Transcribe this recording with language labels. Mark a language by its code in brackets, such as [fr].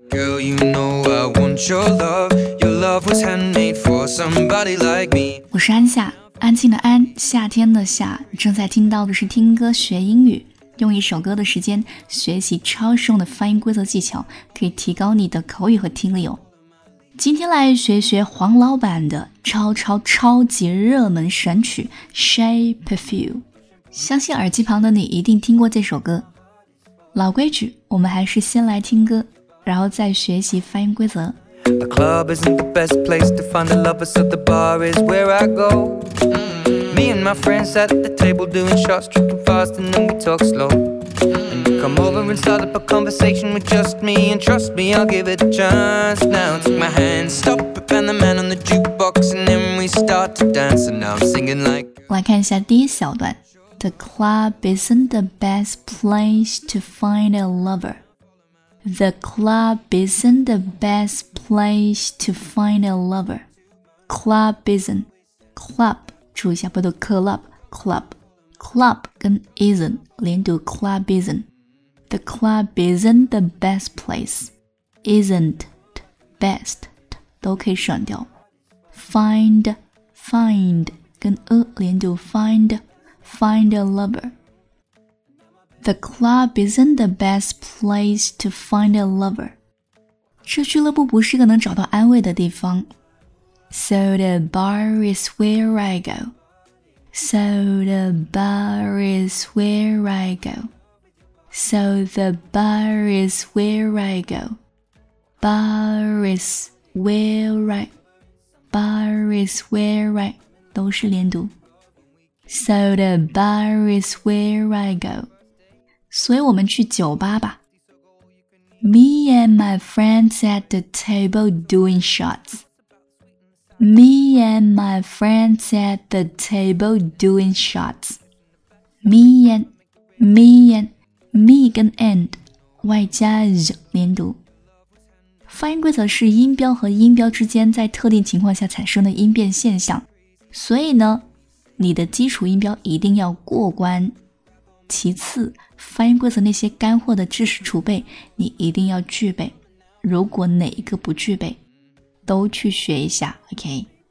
[en] Girl, you know I want your love. Your love was handmade for somebody like me. [zh] 我是安夏，安静的安，夏天的夏。你正在听到的是听歌学英语，用一首歌的时间学习超实用的发音规则技巧，可以提高你的口语和听力哦。今天来学学黄老板的超超超级热门神曲 Shea Perfume。相信耳机旁的你一定听过这首歌。老规矩，我们还是先来听歌，然后再学习发音规则。 [en] The club isn't the best place to find a lover, so the bar is where I go. Me and my friends at the table doing shots, tripping fast and then we talk slow. And you come over and start up a conversation with just me, and trust me, I'll give it a chance. Now take my hand, stop it, and the man on the jukebox, and then we start to dance, and now I'm singing like. [zh] 来看一下第一小段。 [en] The club isn't the best place to find a lover. The club isn't the best place to find a lover. Club isn't. Club, [zh] 注意一下不读 [en] club, club. Club 跟 isn't, 连读 club isn't. The club isn't the best place. [zh] Isn't, best, 都可以省掉。 [en] Find, find, [zh] 跟 连读 [en] find,Find a lover. The club isn't the best place to find a lover. [zh] 这俱乐部不是一个能找到安慰的地方。 [en] So the bar is where I go. So the bar is where I go. So the bar is where I go. Bar is where I. Bar is where I. [zh] 都是连读。 [en] So the bar is where I go. [zh] 所以我们去酒吧吧。 [en] Me and my friends at the table doing shots. Me and my friends at the table doing shots. [zh] Me 跟 and 外加 z 连读。发音规则是音标和音标之间在特定情况下产生的音变现象。所以呢，你的基础音标一定要过关，其次发音规则那些干货的知识储备你一定要具备，如果哪一个不具备都去学一下 OK。